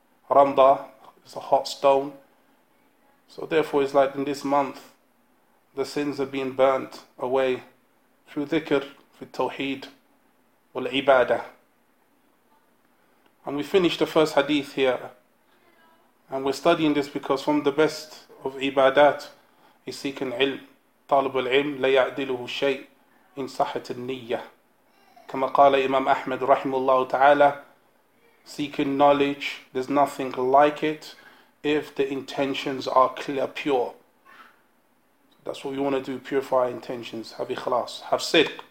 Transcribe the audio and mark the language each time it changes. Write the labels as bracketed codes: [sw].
[en] Ramda is a hot stone. So therefore it's like in this month, the sins have been burnt away through dhikr, through tawheed, wal ibadah. And we finished the first hadith here. And we're studying this because from the best of ibadat, he's seeking ilm. [ar] طالب العلم لا يعدله شيء إن صحة النية. كما قال [en] Imam Ahmad [ar] رحمه الله تعالى, [en] seeking knowledge, there's nothing like it if the intentions are clear, pure. That's what we want to do, purify our intentions, have ikhlas, have sidq.